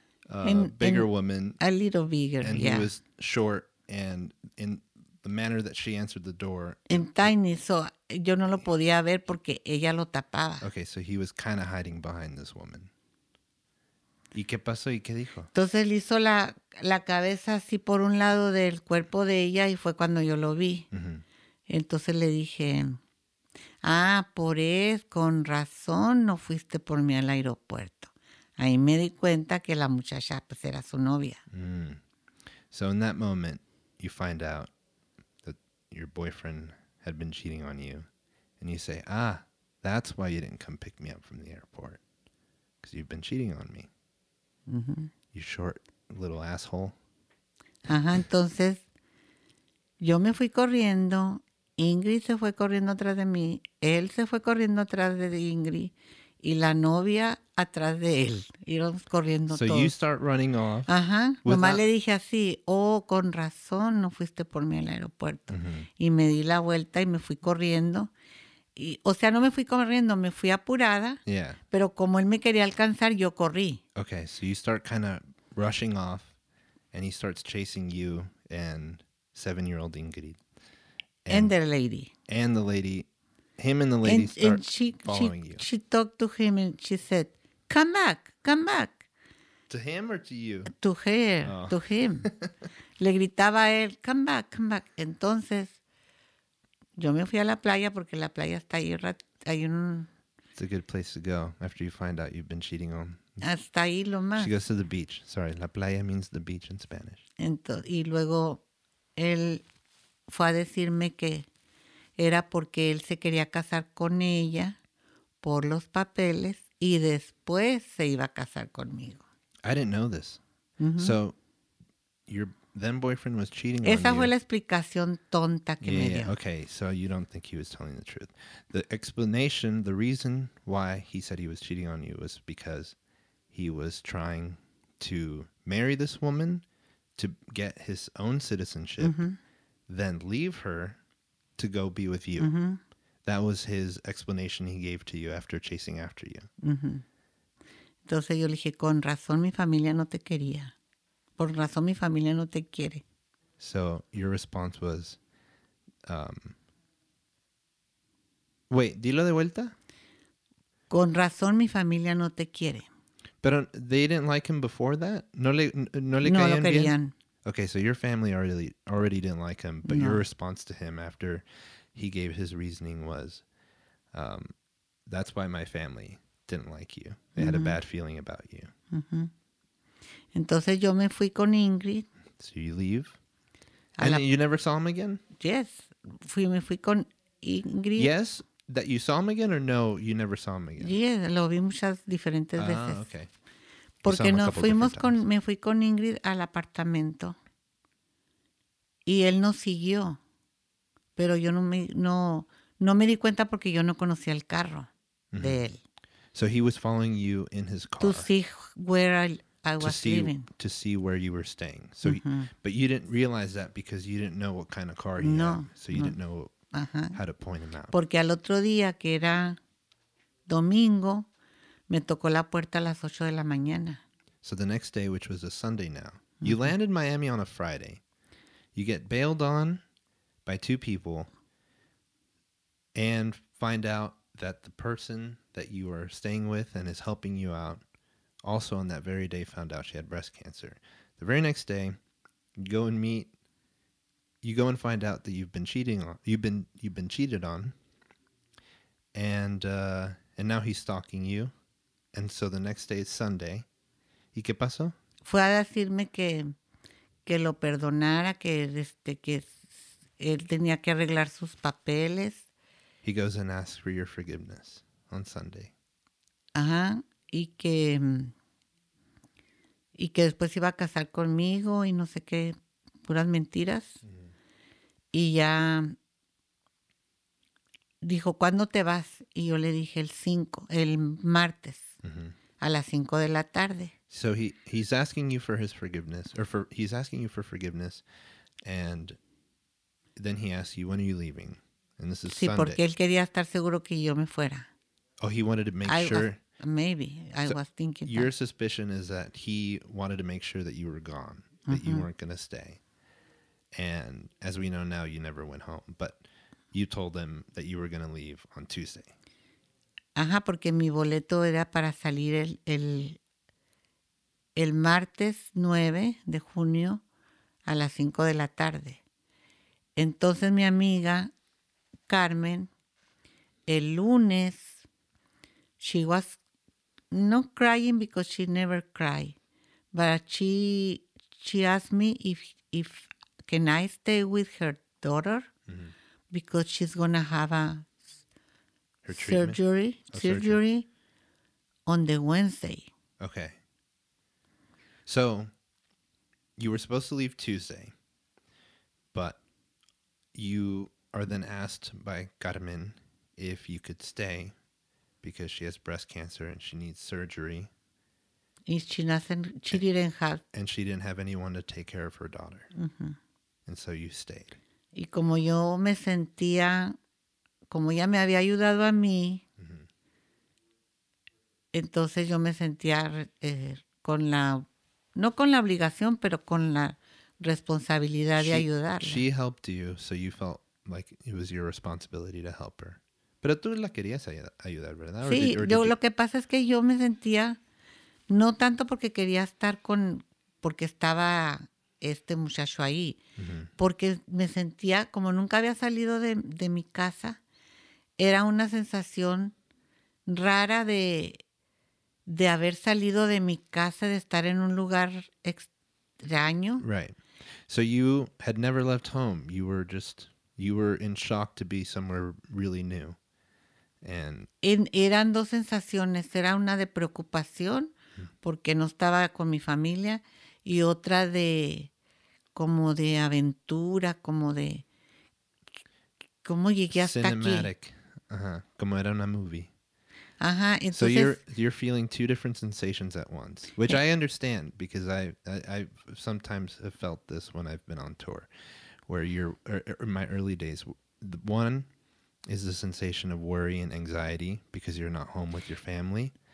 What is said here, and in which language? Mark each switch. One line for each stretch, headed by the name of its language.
English: A little bigger, and he was short, and in the manner that she answered the door. And tiny, so
Spanish: yo no lo podía ver porque ella lo tapaba.
English: Okay, so he was kind of hiding behind this woman.
Spanish: ¿Y qué pasó y qué dijo? Entonces él hizo la cabeza así por un lado del cuerpo de ella y fue cuando yo lo vi. Entonces le dije, ah, por eso, con razón, no fuiste por mí al aeropuerto. Ahí me di cuenta que la muchacha pues era su novia. Mm.
English: So in that moment, you find out that your boyfriend had been cheating on you. And you say, ah, that's why you didn't come pick me up from the airport. Because you've been cheating on me. Mm-hmm. You short little asshole.
Spanish: Ajá, entonces yo me fui corriendo. Ingrid se fue corriendo atrás de mí. Él se fue corriendo atrás de Ingrid. Y la novia atrás de él. Íbamos corriendo todos.
English: So you start running off. Ajá.
Spanish: Nomás le dije así, oh, con razón no fuiste por mí al aeropuerto. Y me di la vuelta y me fui corriendo. O sea, no me fui corriendo, me fui apurada.
English: Yeah.
Spanish: Pero como él me quería alcanzar, yo corrí.
English: Okay, so you start kind of rushing off and he starts chasing you and 7-year-old Ingrid. And the lady. Him and the lady start following you. She talked to him and she said, come back, come back. To him or to you? To her, to him.
Spanish: Le gritaba a él,
English: come back, come back.
Spanish: Entonces, yo me fui a la playa porque la playa está ahí.
English: It's a good place to go after you find out you've been cheating on.
Spanish: Hasta ahí lo más.
English: She goes to the beach. Sorry, la playa means the beach in Spanish.
Spanish: Y luego, él fue a decirme que era porque él se quería casar con ella por los papeles y después se iba a casar conmigo.
English: I didn't know this. Mm-hmm. So, your then boyfriend was cheating
Spanish: Esa
English: on you.
Spanish: Esa fue la explicación tonta que
English: yeah,
Spanish: me
English: yeah.
Spanish: dio.
English: Okay, so you don't think he was telling the truth. The explanation, the reason why he said he was cheating on you was because he was trying to marry this woman to get his own citizenship, then leave her to go be with you. That was his explanation he gave to you after chasing after you.
Spanish: Entonces yo le dije, con razón mi familia no te quería. Por razón mi familia no te quiere.
English: So your response was, wait,
Spanish: dilo de vuelta. Con razón mi familia no te quiere. Pero
English: they didn't like him before that?
Spanish: No le caían bien? No lo querían.
English: Okay, so your family already didn't like him, but your response to him after he gave his reasoning was, that's why my family didn't like you. They had a bad feeling about you.
Spanish: Entonces yo me fui con Ingrid.
English: So you leave? And you never saw him again? Yes.
Spanish: Me fui con Ingrid.
English: Yes? That you saw him again or no, you never saw him again? Yeah,
Spanish: lo vi muchas diferentes veces.
English: Ah, okay.
Spanish: Porque nos fuimos con, me fui con Ingrid al apartamento. Y él nos siguió. Pero yo no me di cuenta porque yo no conocía el carro de él.
English: So he was following you in his car. To see where I was living. To see where you were staying. So, but you didn't realize that because you didn't know what kind of car he had. So you didn't know how to point him out.
Spanish: Porque al otro día, que era domingo, me tocó la puerta a las 8 de la mañana.
English: So the next day, which was a Sunday now, you land in Miami on a Friday. You get bailed on by two people and find out that the person that you are staying with and is helping you out also on that very day found out she had breast cancer. The very next day, you go and meet. You go and find out that you've been cheated on, and now he's stalking you, and so the next day is Sunday.
Spanish: ¿Y qué pasó? Fue a decirme que lo perdonara, que él tenía que arreglar sus papeles.
English: He goes and asks for your forgiveness on Sunday.
Spanish: Ajá, y que después iba a casar conmigo y no sé qué, puras mentiras. Y ya dijo, ¿cuándo te vas? Y yo le dije, el martes, a las 5 de la tarde.
English: So he's asking you for his forgiveness, he's asking you for forgiveness, and then he asks you, when are you leaving? And this is Sunday.
Spanish: Sí, porque él quería estar seguro que yo me fuera.
English: Oh, he wanted to make sure. I was thinking your suspicion is that he wanted to make sure that you were gone, that you weren't going to stay. And as we know now, you never went home. But you told them that you were going to leave on Tuesday.
Spanish: Ajá, porque mi boleto era para salir el martes 9 de junio a las 5 de la tarde. Entonces mi amiga Carmen, el lunes,
English: she was not crying because she never cried. But she asked me if can I stay with her daughter? Because she's going to have a surgery on the Wednesday. Okay. So you were supposed to leave Tuesday, but you are then asked by Carmen if you could stay because she has breast cancer and she needs surgery. And she didn't have anyone to take care of her daughter. And so you stayed.
Spanish: Y como yo me sentía, como ella me había ayudado a mí, entonces yo me sentía con la, no con la obligación, pero con la responsabilidad de ayudarla.
English: She helped you, so you felt like it was your responsibility to help her.
Spanish: Pero tú la querías ayudar, ¿verdad? Sí, lo que pasa es que yo me sentía, no tanto porque quería estar con, porque estaba este muchacho ahí, porque me sentía como nunca había salido de mi casa, era una sensación rara de haber salido de mi casa, de estar en un lugar extraño.
English: Right. So you had never left home. You were in shock to be somewhere really new.
Spanish: Eran dos sensaciones. Era una de preocupación porque no estaba con mi familia y otra de como de aventura, como de cómo llegué hasta
English: cinematic.
Spanish: Aquí. Cinematic. Como era una movie. Uh-huh. Entonces,
English: so you're feeling two different sensations at once, which I understand because I sometimes have felt this when I've been on tour, where you're in my early days. One is the sensation of worry and anxiety because you're not home with your family.